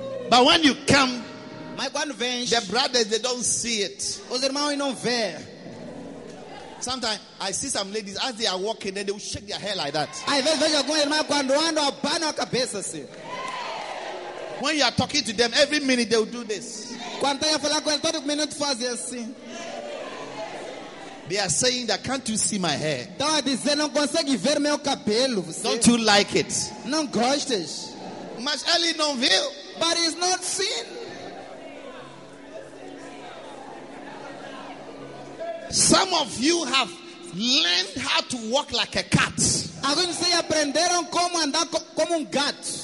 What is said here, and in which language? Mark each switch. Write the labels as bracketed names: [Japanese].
[English] But when you come, [Portuguese] mas quando vem, [English] the brothers, they don't see it. [Portuguese] Os irmãos não vê. [English] Sometimes I see some ladies as they are walking, then they will shake their hair like that. [Portuguese] Aí vejo algumas irmãs quando andam abanam a cabeça assim. [English] When you are talking to them, every minute they will do this. [Portuguese] Quando eu falar com eles todo minuto fazem assim. [English] They are saying that can't you see my hair? [Portuguese] Estão a dizer não consegue ver meu cabelo. Você. [English] Don't you like it? [Portuguese] Não gostas? Mas ele não viu. [English] But he's not seen. Some of you have learned how to walk like a cat. [Portuguese] Alguns de vocês aprenderam como andar como gato.